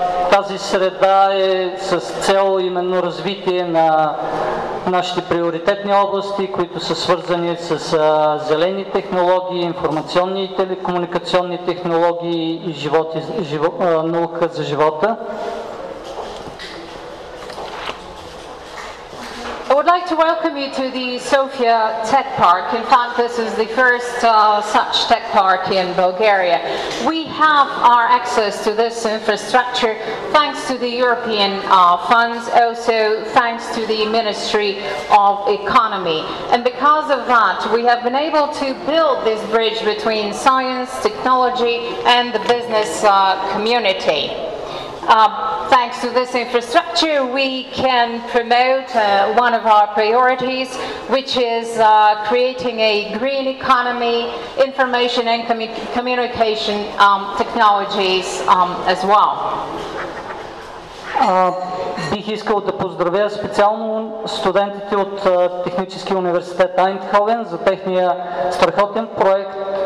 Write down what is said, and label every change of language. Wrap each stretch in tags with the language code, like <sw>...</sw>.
<bg>Тази среда е с цел именно развитие на нашите приоритетни области, които са свързани с зелени технологии, информационни и телекомуникационни технологии и наука за живота.</bg> <en>I would like to welcome you to the Sofia Tech Park. In fact, this is the first such tech park in Bulgaria. We have our access to this infrastructure thanks to the European funds, also thanks to the Ministry of Economy. And because of that, we have been able to build this bridge between science, technology and the business community. Thanks to this infrastructure, we can promote one of our priorities, which is creating a green economy, information and communication technologies as well.</en> <bg>Бих искал да поздравя специално студентите от Техническия университет Айндховен за техния страхотен проект.</bg>